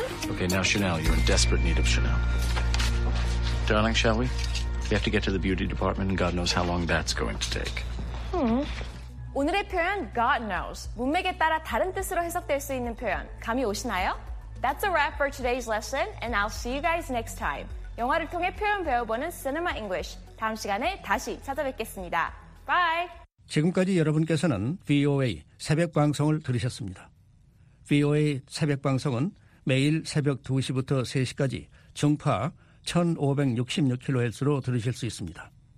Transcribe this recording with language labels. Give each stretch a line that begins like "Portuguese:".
English: Okay, now Chanel, you're in desperate need of Chanel. Darling, shall we? We have to get to the beauty department and God knows how long that's going to take.
Korean: 오늘의 표현 God knows 문맥에 따라 다른 뜻으로 해석될 수 있는 표현 감이 오시나요?
English: That's a wrap for today's lesson and I'll see you guys next time.
Korean: 영화를 통해 표현 배워보는 Cinema English 다음 시간에 다시 찾아뵙겠습니다.
English: Bye!
Korean: 지금까지 여러분께서는 VOA 새벽 방송을 들으셨습니다. VOA 새벽 방송은 매일 새벽 2시부터 3시까지 중파 1566kHz로 들으실 수 있습니다.